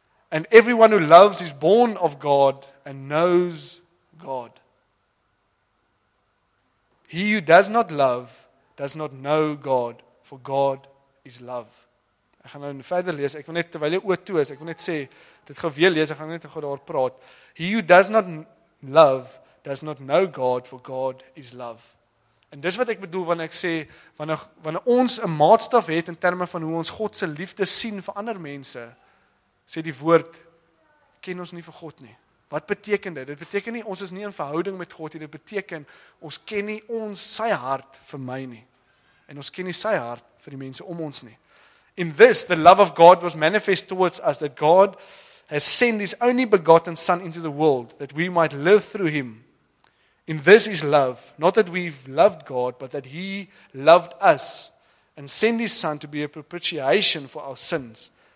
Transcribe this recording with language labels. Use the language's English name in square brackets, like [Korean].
[English] And everyone who loves is born of God and knows God. He who does not love does not know God, for God is love. [Afrikaans] Ek gaan nou verder lees, ek wil net, terwyl jy oor toe is, ek wil net sê, dit gaan weer lees, ek gaan net oor daar praat. [English] He who does not love does not know God, for God is love. [Afrikaans] En dis wat ek bedoel wanneer ek sê, wanneer ons 'n maatstaf het in terme van hoe ons God se liefde sien vir ander mense, sê die woord, ken ons nie vir God nie. Wat beteken dit? Dit beteken nie, ons is nie in verhouding met God nie, dit beteken, ons ken nie ons sy hart vir my nie. En ons ken nie sy hart vir die mense om ons nie. [English] In this, the love of God was manifest towards us, that God has sent his only begotten son into the world, that we might live through him. In this is love, not that we've loved God, but that he loved us and sent his son to be a propitiation for our sins.